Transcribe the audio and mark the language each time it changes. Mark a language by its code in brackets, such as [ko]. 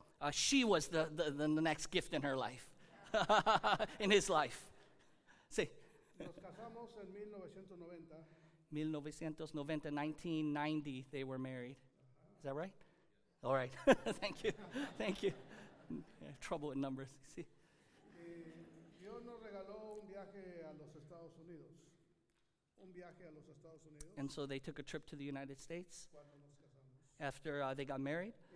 [en] She was the next gift in her life, in his life. [es] Sí. Nos casamos en 1990. [en] 1990, 1990, they were married. Is that right? All right. Thank you. Thank you. Yeah, trouble with numbers. [es] Sí. Dios nos regaló un viaje a los Estados Unidos. Un viaje a los Estados Unidos. [en] And so they took a trip to the United States after they got married.